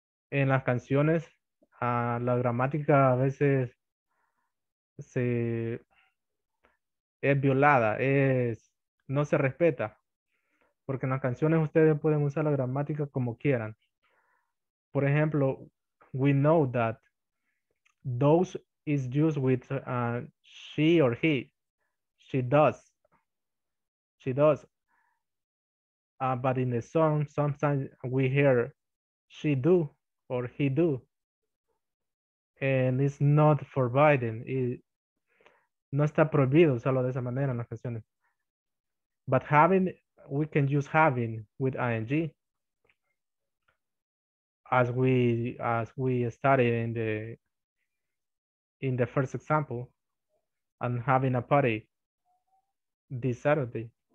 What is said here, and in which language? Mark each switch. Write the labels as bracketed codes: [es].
[es] En las canciones, la gramática a veces es violada, no se respeta. Porque en las canciones ustedes pueden usar la gramática como quieran. Por ejemplo, [en] we know that those is used with she or he. She does. But in the song, sometimes we hear she do or he do. And it's not forbidden. [es] No está prohibido usarlo de esa manera en las canciones. [en] But having, we can use having with ing. As we studied in the first example, and having a party this Saturday.